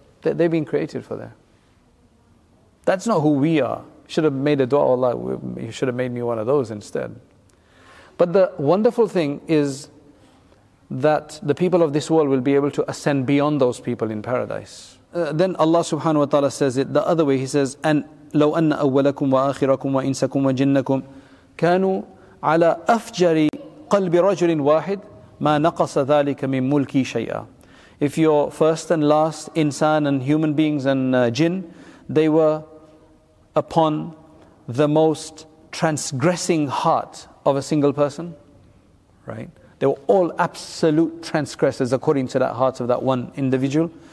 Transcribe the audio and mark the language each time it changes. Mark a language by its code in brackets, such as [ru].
[en] that they've been created for there. That's not who we are. Should have made a dua, Allah, you should have made me one of those instead. But the wonderful thing is that the people of this world will be able to ascend beyond those people in paradise. Then Allah subhanahu wa ta'ala says it the other way. He says, "And [ar] لو أن أولكم وآخركم وإنسكم وجنكم كانوا على أفجر قلب رجل واحد ما نقص ذلك من ملكي شيئا." [en] If your first and last insan and human beings and jinn, they were upon the most transgressing heart of a single person, right? They were all absolute transgressors according to that heart of that one individual.